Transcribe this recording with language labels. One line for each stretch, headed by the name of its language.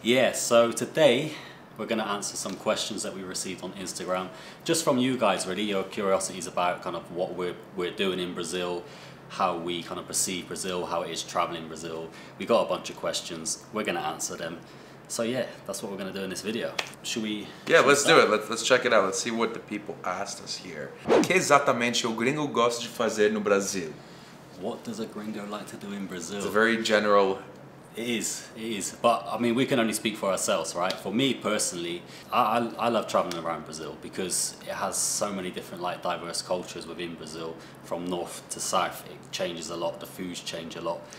English: Yeah, so today we're going to answer some questions that we received on Instagram, just from you guys, really, your curiosities about kind of what we're doing in Brazil, how we kind of perceive Brazil, how it is traveling Brazil. We got a bunch of questions. We're going to answer them. So yeah, that's what we're going to do in this video. Should we? Yeah, let's do it. Let's check it out. Let's see what the people asked us here.
Portuguese: O que exatamente o gringo gosta de fazer no Brasil?
English: What does a gringo like to do in Brazil? It's a very general... It is. But I mean, we can only speak for ourselves, right? For me personally, I love traveling around Brazil because it has so many different, like, diverse cultures within Brazil. From north to south, it changes a lot. The foods change a lot.